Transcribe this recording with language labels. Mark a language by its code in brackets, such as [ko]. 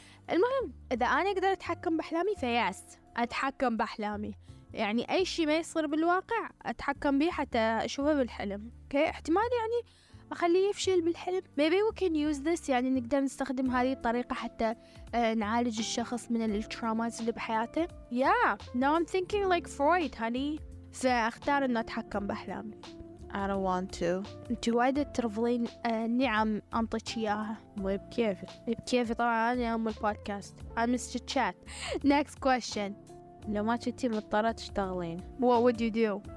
[ar] المهم إذا أنا أقدر أتحكم بأحلامي فياس أتحكم بأحلامي. يعني أي شيء ما يصير بالواقع أتحكم به حتى أشوفه بالحلم. كي احتمال يعني أخليه يفشل بالحلم. [en] Maybe we can use this. [ar] يعني نقدر نستخدم هذه الطريقة حتى نعالج الشخص من الترامات اللي بحياته. [en] Yeah. Now I'm thinking like Freud honey. [ar] سأختار أن أتحكم بأحلامي. [en] I don't want to. [ar] أنت وايد ترفلين نعم أنطيك إياها. بكيفي طبعا أنا أم البودكاست. [en] I'm Mr. Chat. Next question. [ar] لو ما كنتي مضطرة تشتغلين. [en] What would you do?